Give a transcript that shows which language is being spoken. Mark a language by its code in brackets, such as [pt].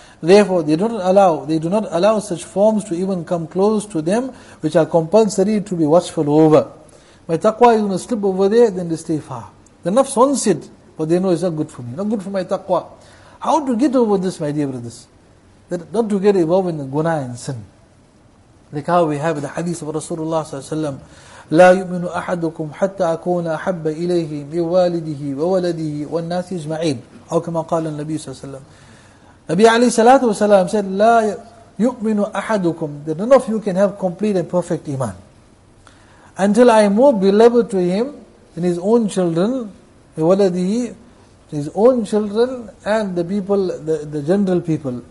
[en] Therefore they do not allow such forms to even come close to them which are compulsory to be watchful over. My taqwa is going to slip over there, then they stay far. The nafs wants it, but they know it's not good for me, not good for my taqwa. How to get over this, my dear brothers? That not to get involved in the guna and sin. Like how we have the hadith of Rasulullah sallallahu alaihi wasallam, [ar] لا يؤمن أحدكم حتى أكون أحب إليه من والده وولده والناس أجمعين. أو كما قال النبي صلى الله عليه وسلم. [en] Nabi alayhi salatu wa salam said, [ar] لا يؤمن أحدكم, [en] that none of you can have complete and perfect iman until I am more beloved to him than his own children, [ar] وولده, [en] his own children and the people, the general people.